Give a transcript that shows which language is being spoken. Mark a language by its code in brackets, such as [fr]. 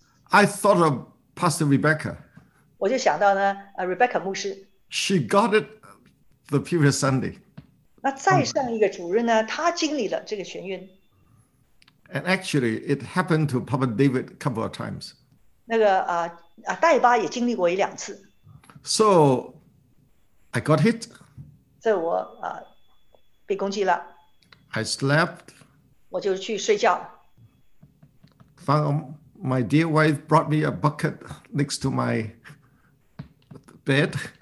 [en] I thought of Pastor Rebecca. [zh] 我就想到呢, Rebecca 牧师, [en] she got it the previous Sunday. [zh] 那再上一个主日呢, 她经历了这个眩晕。 [en] And actually, it happened to Papa David a couple of times. [zh] 那个, 代巴也经历过一两次。 [en] So, I got hit. [zh] 所以我, 被攻击了。 [en] I slept. [zh] 我就去睡觉。 Found [en] my dear wife brought me a bucket next to my bed.